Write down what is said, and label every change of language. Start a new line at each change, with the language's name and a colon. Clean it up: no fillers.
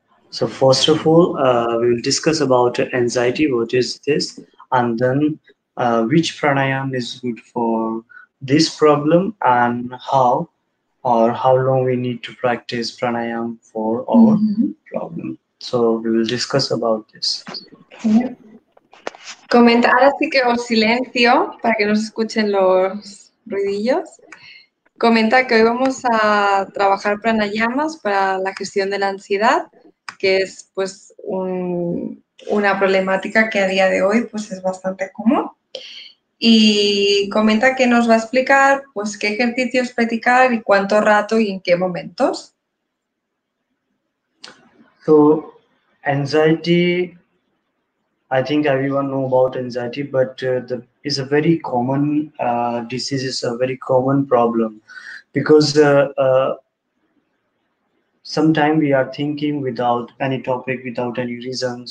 English: So first of all, we will discuss about anxiety, what is this, and then which pranayama is good for this problem, and how or how long we need to practice pranayama for our problem. So we will discuss about this. Okay.
Spanish: Comentar, así que el silencio para que no se escuchen los ruidillos. Comenta que hoy vamos a trabajar pranayamas para la gestión de la ansiedad, que es pues una problemática que a día de hoy pues es bastante común. Y comenta que nos va a explicar pues qué ejercicios practicar y cuánto rato y en qué momentos.
English: So, anxiety, I think everyone know about anxiety, but it's a very common disease, is a very common problem, because sometimes we are thinking without any topic, without any reason.